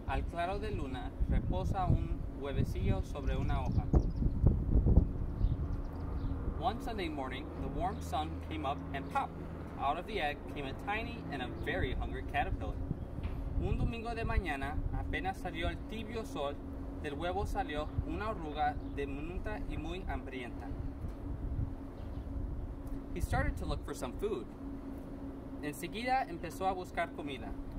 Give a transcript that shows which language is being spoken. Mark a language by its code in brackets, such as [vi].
[es] Claro de luna reposa un huevecillo sobre una hoja. [en] One Sunday morning, the warm sun came up and pop! Out of the egg came a tiny and a very hungry caterpillar. [es] Un domingo de mañana, apenas salió el tibio sol, del huevo salió una oruga diminuta y muy hambrienta. [en] He started to look for some food. [es] Enseguida empezó a buscar comida.